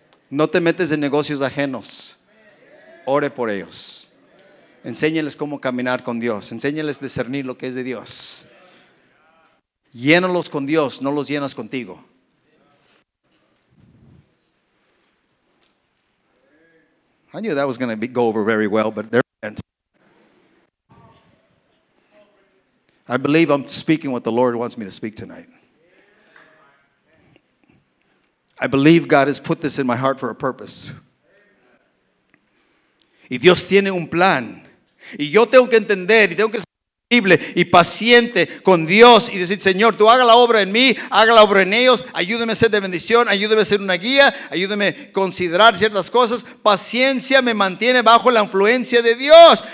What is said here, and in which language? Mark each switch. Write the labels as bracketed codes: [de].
[es] No te metes en negocios ajenos. Ore por ellos. Enséñales cómo caminar con Dios. Enséñales discernir lo que es de Dios. Llénalos con Dios, no los llenas contigo. [en] I knew that was going to go over very well, but there it went. I believe I'm speaking what the Lord wants me to speak tonight. I believe God has put this in my heart for a purpose. [es] Y Dios tiene un plan. Y yo tengo que entender, y tengo que ser flexible y paciente con Dios y decir, Señor, tú haga la obra en mí, haga la obra en ellos, ayúdeme a ser de bendición, ayúdeme a ser una guía, ayúdeme a considerar ciertas cosas. Paciencia me mantiene bajo la influencia de Dios.